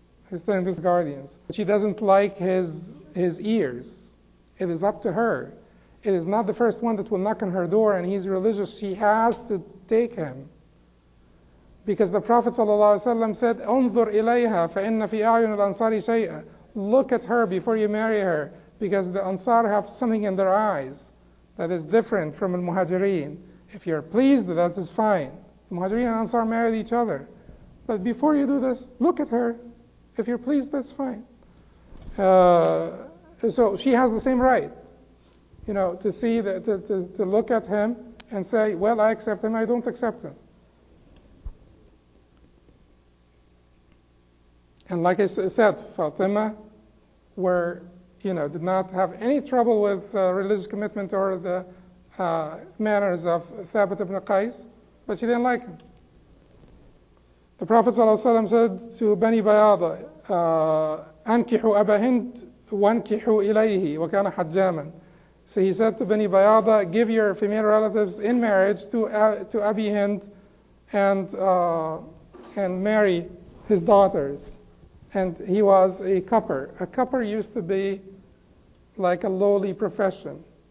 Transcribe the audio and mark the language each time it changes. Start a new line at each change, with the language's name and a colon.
English: He's telling this to the guardians. She doesn't like his ears. It is up to her. It is not the first one that will knock on her door and he's religious. She has to take him. Because the Prophet ﷺ said,
Arabic: انظر إليها فإن في أعين الأنصار شيئا.
English: Look at her before you marry her. Because the Ansar have something in their eyes that is different from al-Muhajireen. If you're pleased, that is fine. Muhajirin and Ansar married each other. But before you do this, look at her. If you're pleased, that's fine. So she has the same right, you know, to see, to look at him and say, well, I accept him, I don't accept him. And like I said, Fatima were, you know, did not have any trouble with religious commitment or the manners of Thabit ibn Qais. But she didn't like him. The Prophet ﷺ said to Bani Bayada,
Arabic: أَنْكِحُ أَبَا هِنْدْ وَأَنْكِحُ إِلَيْهِ وَكَانَ حَجَّامًا.
English: So he said to Bani Bayada, give your female relatives in marriage to Abi Hind and marry his daughters. And he was a cupper. A cupper used to be like a very lowly profession.